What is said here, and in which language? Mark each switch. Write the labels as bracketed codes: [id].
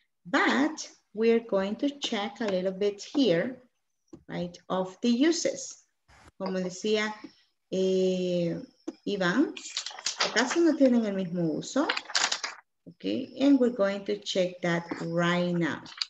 [en] But we're going to check a little bit here, right, of the uses. [es] Como decía Iván, ¿acaso no tienen el mismo uso? [en] Okay, and we're going to check that right now.